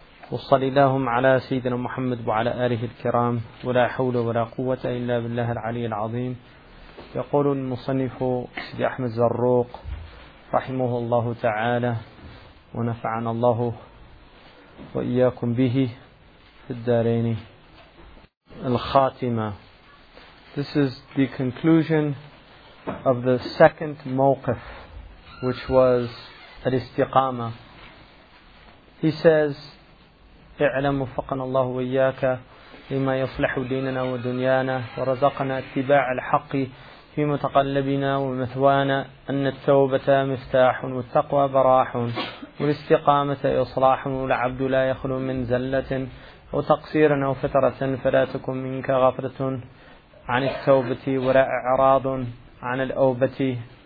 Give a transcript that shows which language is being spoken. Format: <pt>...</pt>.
<ar>وصل اللهم على سيدنا محمد وعلى آله الكرام، ولا حول ولا قوة إلا بالله العلي العظيم. يقول المصنف سيدي أحمد زروق رحمه الله تعالى ونفعنا الله وإياكم به في الدارين، الخاتمة.</ar> <en>This is the conclusion of the second mawqif, which was al-istiqama. He says,</en> <ar>اعلم وفقنا الله وإياك لما يصلح ديننا ودنيانا ورزقنا اتباع الحق في متقلبنا ومثوانا، أن التوبة مفتاح والتقوى براح والاستقامة إصلاح، والعبد لا يخلو من زلة أو تقصير أو فترة، فلا تكن منك غفلة عن التوبة ولا إعراض عن الأوبة</ar>